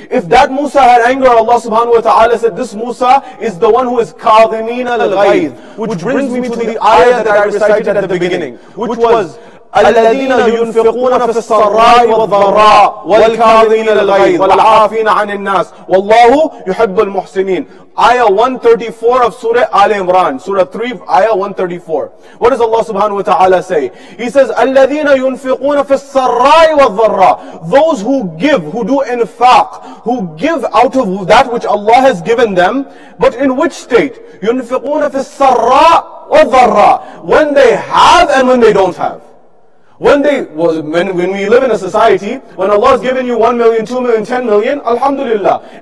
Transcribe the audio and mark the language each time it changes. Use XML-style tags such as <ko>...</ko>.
<en>If that Musa had anger, Allah subhanahu wa ta'ala said, this Musa is the one who is kadhimin al-ghayz, which brings me to the ayah that I recited at the beginning, which was,</en> <ar>الَّذِينَ يُنْفِقُونَ فِي السَّرَّاءِ وَالضَّرَّاءِ وَالْكَاظِمِينَ الْغَيْظَ وَالْعَافِينَ عَنِ النَّاسِ وَاللَّهُ يُحِبُّ الْمُحْسِنِينَ.</ar> <en>Ayah 134 of Surah Al Imran, Surah 3, Ayah 134. What does Allah subhanahu wa ta'ala say? He says,</en> <ar>الَّذِينَ يُنْفِقُونَ فِي السَّرَّاءِ وَالضَّرَّاءِ.</ar> <en>Those who give, who do infaq, who give out of that which Allah has given them, but in which state?</en> <ar>يُنْفِقُونَ فِي السَّرَّاءِ وَالضَّرَّاءِ.</ar> <en>When they have and when they don't have. When we live in a society, when Allah has given you 1 million, 2 million, 10 million, Alhamdulillah.</en>